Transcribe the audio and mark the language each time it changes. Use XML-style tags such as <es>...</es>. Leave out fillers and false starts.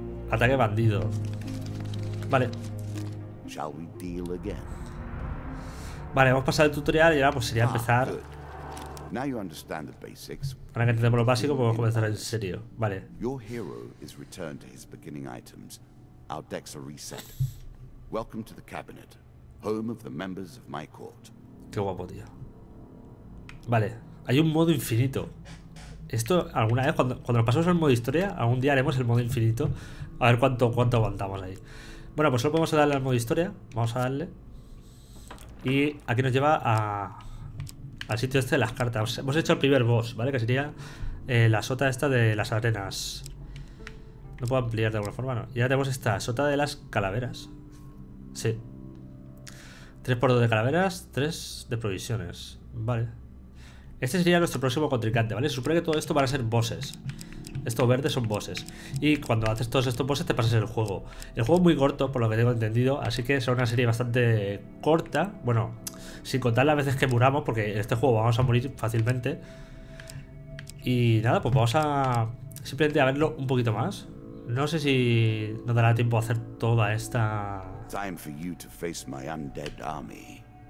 <es>Ataque bandido. Vale.</es> <en>Shall we deal again?</en> <es>Vale, hemos pasado el tutorial y ahora pues sería empezar. Ahora que entendemos lo básico, podemos comenzar en serio. Vale.</es> <en>Your hero is returned to his beginning items. Our decks are reset. Welcome to the cabinet, home of the members of my court.</en> <es>Qué guapo, tío. Vale, hay un modo infinito. Esto alguna vez cuando nos pasemos al modo historia, algún día haremos el modo infinito. A ver cuánto aguantamos ahí. Bueno, pues solo podemos darle al modo historia. Vamos a darle. Y aquí nos lleva a al sitio este de las cartas. Hemos hecho el primer boss, ¿vale? Que sería la sota esta de las arenas. No puedo ampliar de alguna forma, ¿no? Y ahora tenemos esta sota de las calaveras. Sí. 3x2 de calaveras, 3 de provisiones. Vale. Este sería nuestro próximo contrincante, ¿vale? Se supone que todo esto van a ser bosses. Estos verdes son bosses. Y cuando haces todos estos bosses te pasas el juego. El juego es muy corto, por lo que tengo entendido. Así que será una serie bastante corta. Bueno, sin contar las veces que muramos, porque en este juego vamos a morir fácilmente. Y nada, pues vamos a simplemente a verlo un poquito más. No sé si nos dará tiempo a hacer toda esta.</es> <en>Time for you to face my undead army.</en>